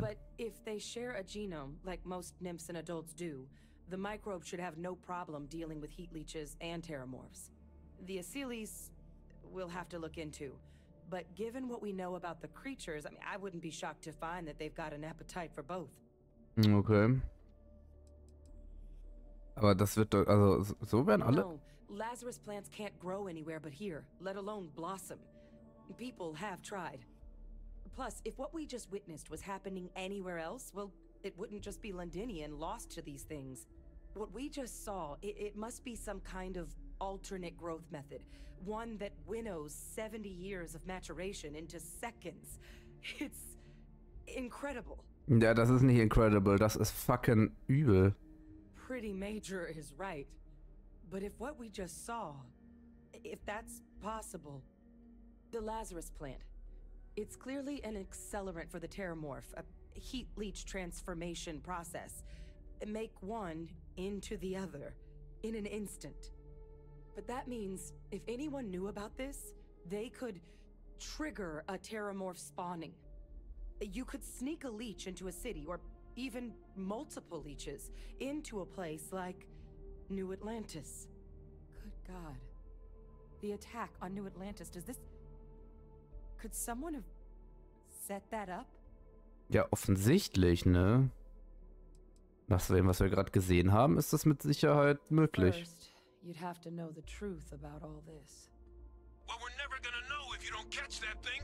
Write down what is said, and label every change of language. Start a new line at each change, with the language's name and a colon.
English: But if they share a genome, like most nymphs and adults do, the microbe should have no problem dealing with heat leeches and terramorphs. The Aceles we'll have to look into. But given what we know about the creatures, I mean, I wouldn't be shocked to find that they've got an appetite for both. Okay.
German: Aber das wird doch, also so werden alle.
English: No, Lazarus plants can't grow anywhere but here, let alone blossom. People have tried. Plus, if what we just witnessed was happening anywhere else, well, it wouldn't just be Londinian lost to these things. What we just saw, it must be some kind of alternate growth method. One that winnows 70 years of maturation into seconds. It's incredible.
German: Ja, das ist nicht incredible, das ist fucking übel.
English: Pretty Major is right. But if what we just saw, if that's possible, the Lazarus plant. It's clearly an accelerant for the Terramorph, a heat leech transformation process. Make one into the other in an instant. But that means if anyone knew about this, they could trigger a Terramorph spawning. You could sneak a leech into a city, or even multiple leeches, into a place like New Atlantis. Good God. The attack on New Atlantis, does this... Could someone have set that up?
German: Ja, offensichtlich, ne? Nach dem, was wir gerade gesehen haben, ist das mit Sicherheit möglich.
English: First, you'd have to know the truth about all this. Well, we're never gonna know if you don't catch that thing.